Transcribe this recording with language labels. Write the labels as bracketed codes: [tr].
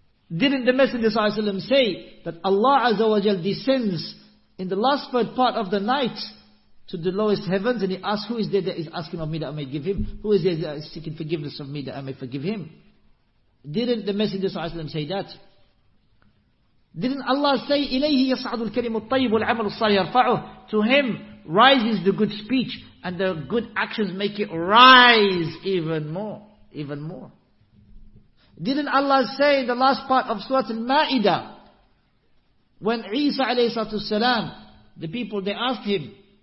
[en] Didn't the Messenger sallallahu alayhi wa sallam say that Allah azza wa jal descends in the last third part of the night to the lowest heavens, and he asks, who is there that is asking of me that I may give him? Who is there that is seeking forgiveness of me that I may forgive him? Didn't the Messenger sallallahu alayhi wa sallam say that? Didn't Allah say, [ar] إِلَيْهِ يَصْعَدُ الْكَلِمُ الطَّيِّبُ وَالْعَمَلُ الصَّالِحُ يَرْفَعُهُ? [en] To him rises the good speech, and the good actions make it rise even more, even more. Didn't Allah say in the last part of Surah Al-Ma'idah, when Isa alayhi salatu salam, the people, they asked him,